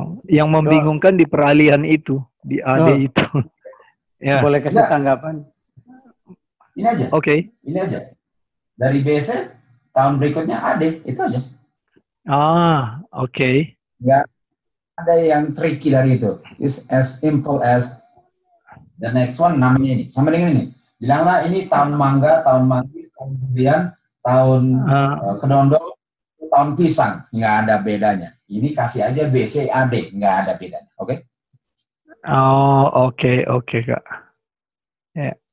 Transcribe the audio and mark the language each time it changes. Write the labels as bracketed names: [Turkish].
[Indonesian] Yang membingungkan di peralihan itu, di AD itu. Ya. Boleh kasih tanggapan? Ini aja. Oke. Okay. Ini aja. Dari BC tahun berikutnya AD, itu aja. Ah, oke. Okay. Enggak ada yang tricky dari itu. [English] It's as simple as the next one [Indonesian] namanya ini. Sama dengan ini. Bilanglah ini tahun mangga, tahun mangga, tahun durian, tahun kedondong, tahun pisang. Enggak ada bedanya. Ini kasih aja BC AD, enggak ada bedanya. Oke? Okay? Oh, oke, okay, oke, okay, Kak. Ya. Yeah.